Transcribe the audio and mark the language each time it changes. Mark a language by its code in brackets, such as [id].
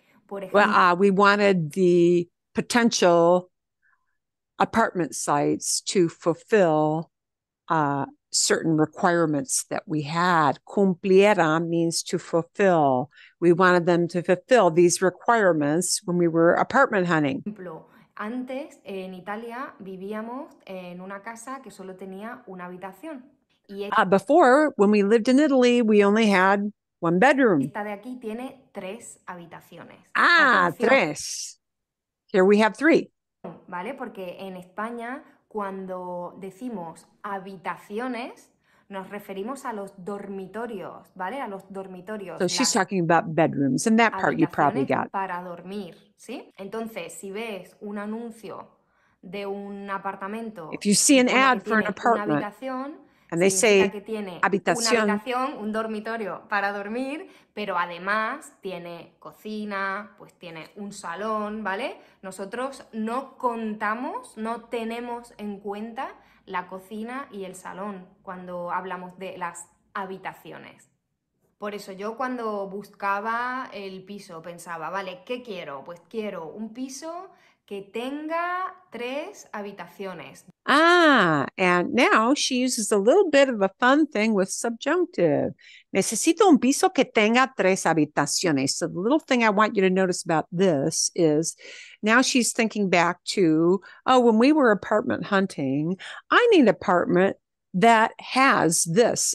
[en] Well, we wanted the potential apartment sites to fulfill certain requirements that we had. Cumpliera means to fulfill. We wanted them to fulfill these requirements when we were apartment hunting. [es] Antes, en Italia, vivíamos en una casa que solo tenía una habitación. [en] Before, when we lived in Italy, we only had one bedroom. [es] Esta de aquí tiene tres habitaciones. [en] Ah, atención. Tres. Here we have three. [es] Vale, porque en España, cuando decimos habitaciones, nos referimos a los dormitorios, ¿vale? A los dormitorios. [en] So she's talking about bedrooms, and that part you probably got. [es] Para dormir, ¿sí? Entonces, si ves un anuncio de un apartamento, [en] if you see an ad for an apartment, [es] una habitación, [en] and they say [es] que tiene habitación, una habitación, un dormitorio para dormir, pero además tiene cocina, pues tiene un salón, ¿vale? Nosotros no contamos, no tenemos en cuenta la cocina y el salón cuando hablamos de las habitaciones. Por eso yo cuando buscaba el piso pensaba, vale, ¿qué quiero? Pues quiero un piso que tenga tres habitaciones. [en] Ah, and now she uses a little bit of a fun thing with subjunctive. [es] Necesito un piso que tenga tres habitaciones. [en] So the little thing I want you to notice about this is now she's thinking back to, oh, when we were apartment hunting, I need an apartment that has this.